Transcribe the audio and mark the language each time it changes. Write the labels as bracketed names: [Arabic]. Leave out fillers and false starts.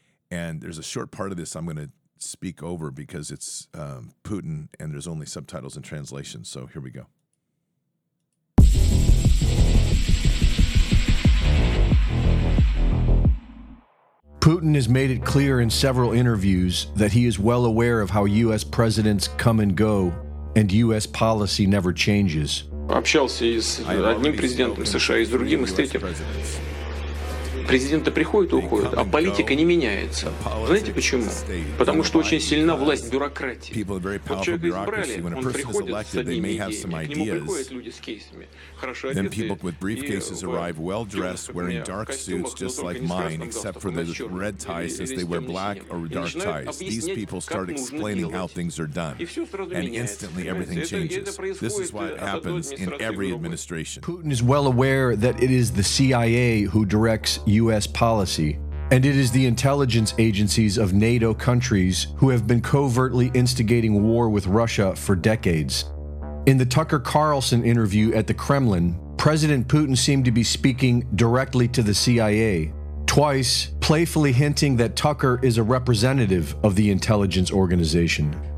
[English] And there's a short part of this I'm going to speak over because it's Putin and there's only subtitles and translation. So here we go. Putin has made it clear in several interviews that he is well aware of how U.S. presidents come and go and U.S. policy never changes. [Russian] Общался с одним президентом США и с другим, и с третьим. Президенты приходят и уходят, а политика не меняется. Знаете почему? Потому что очень сильна власть бюрократии. Вот человека избрали, он приходит с одними идеями, к нему приходят люди с кейсами. Хорошо одеты и в брифкейсах, как у меня, в костюмах, но только не с красным галстуком, или с темным синим. И начинают объяснять, как нужно делать. И все сразу меняется. Это Это происходит от одной сразу и другой. [English] Путин is well aware that it is the CIA who directs U.S. policy, and it is the intelligence agencies of NATO countries who have been covertly instigating war with Russia for decades. In the Tucker Carlson interview at the Kremlin, President Putin seemed to be speaking directly to the CIA, twice playfully hinting that Tucker is a representative of the intelligence organization.